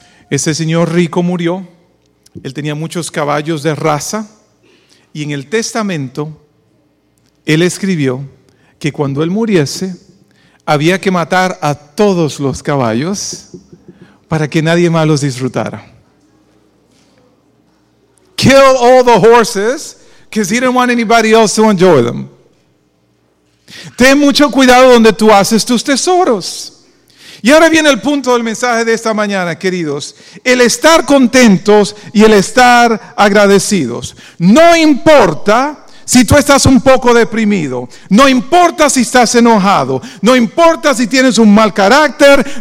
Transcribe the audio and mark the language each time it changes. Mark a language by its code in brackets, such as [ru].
[es] Ese señor rico murió, él tenía muchos caballos de raza y en el testamento él escribió que cuando él muriese había que matar a todos los caballos para que nadie más los disfrutara. [en] Kill all the horses because he didn't want anybody else to enjoy them. [es] Ten mucho cuidado donde tú haces tus tesoros. Y ahora viene el punto del mensaje de esta mañana, queridos. El estar contentos y el estar agradecidos. No importa si tú estás un poco deprimido. No importa si estás enojado. No importa si tienes un mal carácter.